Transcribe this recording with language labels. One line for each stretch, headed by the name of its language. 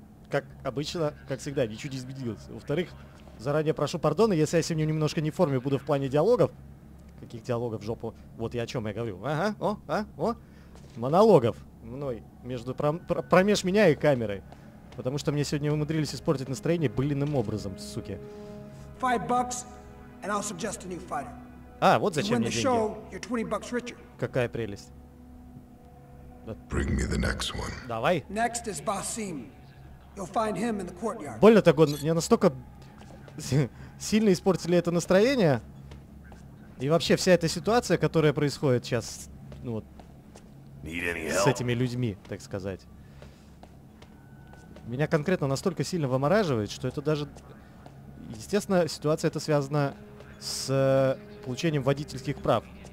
Russian: Как обычно, как всегда, ничего не изменилось. Во-вторых, заранее прошу пардона, если я сегодня немножко не в форме буду в плане диалогов. Каких диалогов, в жопу? Вот я о чем я говорю. Ага, о, а, о. Монологов мной, между промеж меня и камерой. Потому что мне сегодня умудрились испортить настроение былиным образом, суки.
English: $5, and I'll suggest a new fighter.
Russian: А, вот зачем мне деньги. Какая прелесть.
English: Bring me the next one.
Russian: Давай.
English: Next is Basim. You'll find him in the courtyard.
Russian: Больно так, мне настолько сильно испортили это настроение. И вообще вся эта ситуация, которая происходит сейчас, ну вот, с этими людьми, так сказать. Меня конкретно настолько сильно вымораживает, что это даже... Естественно, ситуация эта связана с получением водительских прав.